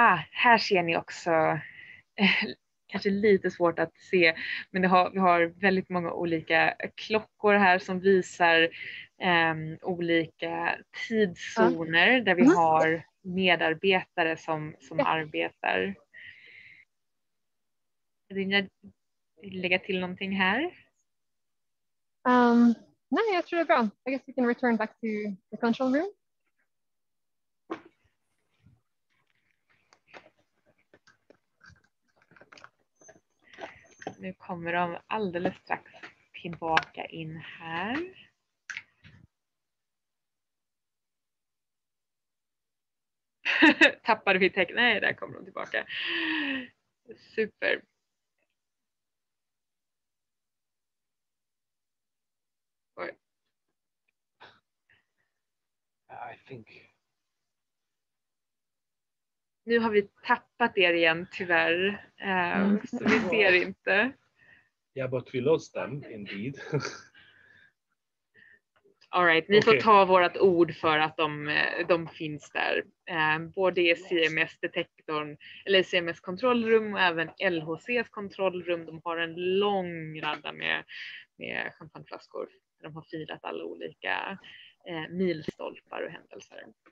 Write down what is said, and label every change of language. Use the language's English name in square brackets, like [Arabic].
[Swedish] Här ser ni också, kanske lite svårt att se, men vi har väldigt många olika klockor här som visar olika tidszoner där vi har medarbetare som arbetar. Vill jag lägga till någonting här? Nej, jag tror det är bra. [English] I guess we can return back to the control room. [Swedish] Nu kommer de alldeles strax tillbaka in här. Tappade vi tecken? Nej, där kommer de tillbaka. Super. [English] I think. [Swedish] Nu har vi tappat er igen tyvärr, så vi ser inte. [English] Yeah, but we lost them indeed. [Swedish] All right, ni okay. Får ta vårat ord för att de finns där. Både i CMS-detektorn, eller CMS-kontrollrum och även LHCs kontrollrum. De har en lång radda med champagneflaskor. De har firat alla olika milstolpar och händelser.